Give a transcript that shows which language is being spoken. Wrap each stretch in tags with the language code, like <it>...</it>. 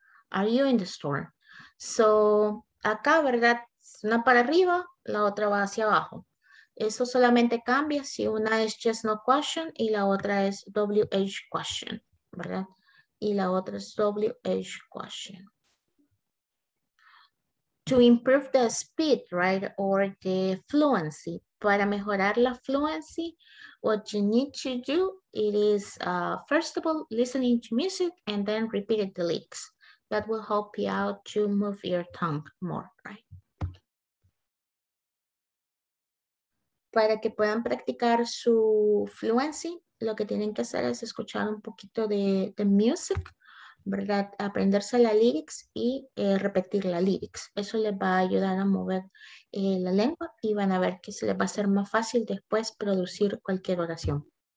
<en>Are you in the store? So, acá, ¿verdad?</en> <es>Una para arriba, la otra va hacia abajo. Eso solamente cambia si una es just no question y la otra es WH question, ¿verdad? Y la otra es WH question.</es> <en>To improve the speed, right, or the fluency. Para mejorar la fluency, what you need to do, it is, first of all, listening to music and then repeating the lyrics. That will help you out to move your tongue more, right?</en> <es>Para que puedan practicar su fluency, lo que tienen que hacer es escuchar un poquito de music, ¿verdad? Aprenderse la lyrics y repetir la lyrics. Eso les va a ayudar a mover la lengua y van a ver que se les va a hacer más fácil después producir cualquier oración.</es>